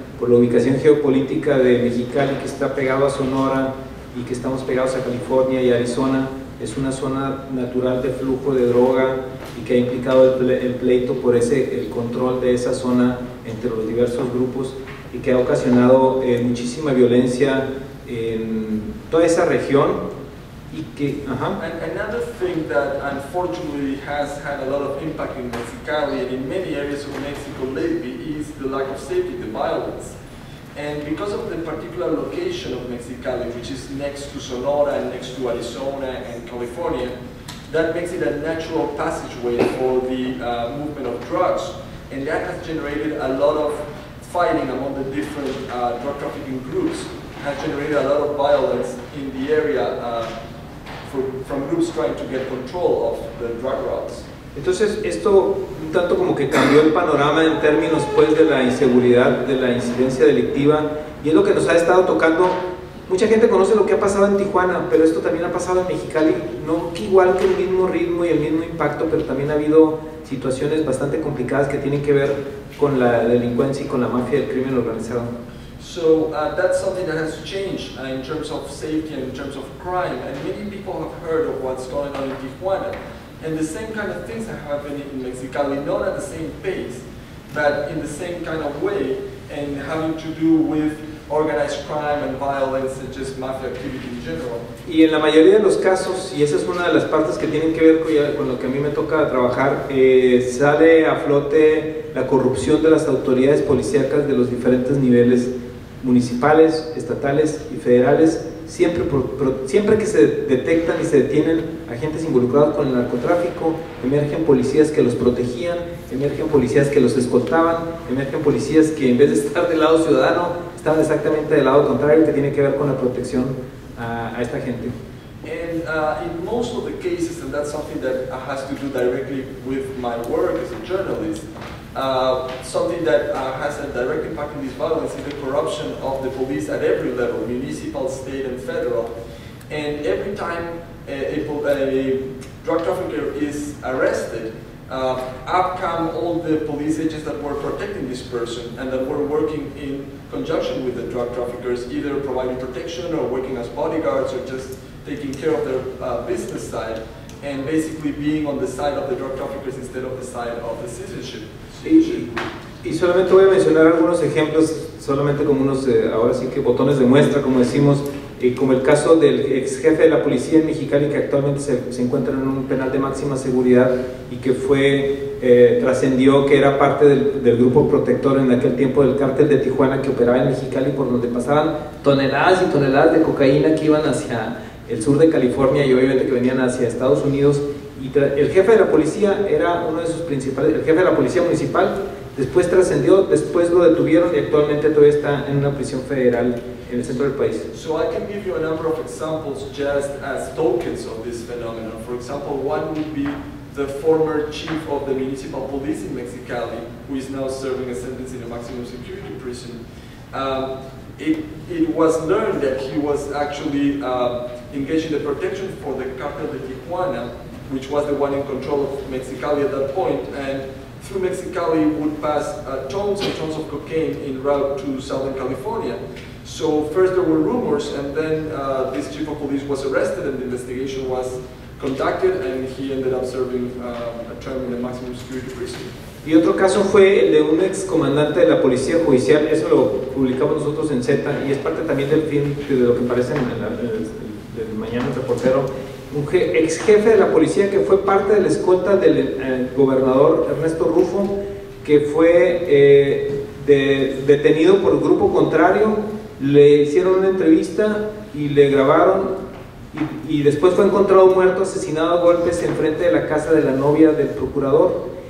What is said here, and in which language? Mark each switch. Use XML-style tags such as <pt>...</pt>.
<es>Por la ubicación geopolítica de Mexicali, que está pegado a Sonora y que estamos pegados a California y Arizona, es una zona natural de flujo de droga y que ha implicado el pleito por el control de esa zona entre los diversos grupos y que ha ocasionado muchísima violencia en toda esa región. Y que,</es> <en>And another thing that unfortunately has had a lot of impact in Mexicali and in many areas of Mexico lately is the lack of safety, the violence. And because of the particular location of Mexicali, which is next to Sonora and next to Arizona and California, that makes it a natural passageway for the movement of drugs. And that has generated a lot of fighting among the different drug trafficking groups, has generated a lot of violence in the area. From groups trying to get control of the drug routes.</en> <es>Entonces, esto un tanto como que cambió el panorama en términos, pues, de la inseguridad, de la incidencia delictiva, y es lo que nos ha estado tocando. Mucha gente conoce lo que ha pasado en Tijuana, pero esto también ha pasado en Mexicali, no igual que el mismo ritmo y el mismo impacto, pero también ha habido situaciones bastante complicadas que tienen que ver con la delincuencia y con la mafia del crimen organizado.</es> <en>So that's something that has changed in terms of safety and in terms of crime, and many people have heard of what's going on in Tijuana, and the same kind of things are happening in Mexicali, not at the same pace, but in the same kind of way, and having to do with organized crime and violence and just mafia activity in general.</en> <es>Y en la mayoría de los casos, y esa es una de las partes que tienen que ver con lo que a mí me toca trabajar, sale a flote la corrupción de las autoridades policíacas de los diferentes niveles municipales, estatales y federales, siempre que se detectan y se detienen agentes involucrados con el narcotráfico, emergen policías que los protegían, emergen policías que los escoltaban, emergen policías que en vez de estar del lado ciudadano, están exactamente del lado contrario, que tiene que ver con la protección a esta gente.</es> <en>And in most of the cases, and that's something that has to do directly with my work as a journalist, something that has a direct impact in this violence is the corruption of the police at every level, municipal, state, and federal. And every time a drug trafficker is arrested, up come all the police agents that were protecting this person and that were working in conjunction with the drug traffickers, either providing protection or working as bodyguards or just taking care of their business side and basically being on the side of the drug traffickers instead of the side of the citizenship.</en> <es>Y solamente voy a mencionar algunos ejemplos, solamente como unos, ahora sí que botones de muestra, como decimos, como el caso del ex jefe de la policía en Mexicali, que actualmente se encuentra en un penal de máxima seguridad y que fue, trascendió que era parte del grupo protector en aquel tiempo del cártel de Tijuana que operaba en Mexicali, por donde pasaban toneladas y toneladas de cocaína que iban hacia el sur de California y obviamente que venían hacia Estados Unidos. Y el jefe de la policía era uno de sus principales, el jefe de la policía municipal, después trascendió, después lo detuvieron y actualmente todavía está en una prisión federal en el centro del país.</es> <en>So I can give you a number of examples just as tokens of this phenomenon. For example, one would be the former chief of the municipal police in Mexicali, who is now serving a sentence in a maximum security prison. It was learned that he was actually engaged in the protection for the cartel de Tijuana, which was the one in control of Mexicali at that point, and through Mexicali would pass tons and tons of cocaine en route to Southern California. So first there were rumors, and then this chief of police was arrested and the investigation was conducted, and he ended up serving a term in a maximum security prison.</en> <es>Y otro caso fue el de un ex comandante de la policía judicial, eso lo publicamos nosotros en Zeta, y es parte también del film de lo que aparece en el Mañana Reportero. Un ex jefe de la policía que fue parte de la escolta del gobernador Ernesto Rufo, que fue detenido por el grupo contrario, le hicieron una entrevista y le grabaron y después fue encontrado muerto, asesinado a golpes en frente de la casa de la novia del procurador.</es>